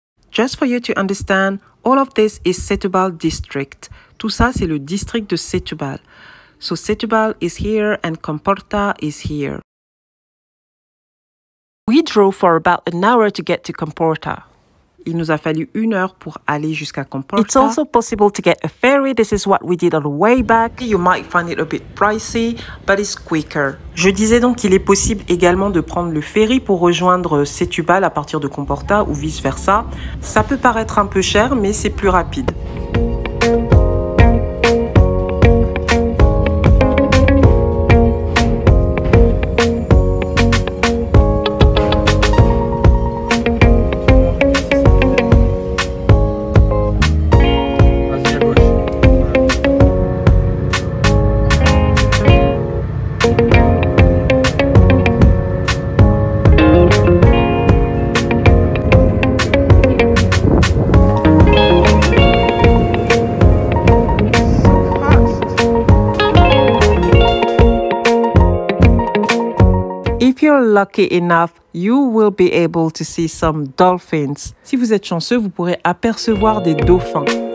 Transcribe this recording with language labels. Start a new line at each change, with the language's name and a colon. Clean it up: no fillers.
English: Just for you to understand, all of this is Setúbal district.
French: Tout ça, c'est le district de Setúbal.
English: So Setúbal is here and Comporta is here. We drove for about an hour to get to Comporta.
French: Il nous a fallu une heure pour aller jusqu'à Comporta.
English: It's also possible to get a ferry. This is what we did on the way back. You might find it a bit pricey, but it's quicker.
French: Je disais donc qu'il est possible également de prendre le ferry pour rejoindre Setúbal à partir de Comporta ou vice-versa. Ça peut paraître un peu cher, mais c'est plus rapide.
English: Lucky enough, you will be able to see some dolphins.
French: Si vous êtes chanceux, vous pourrez apercevoir des dauphins.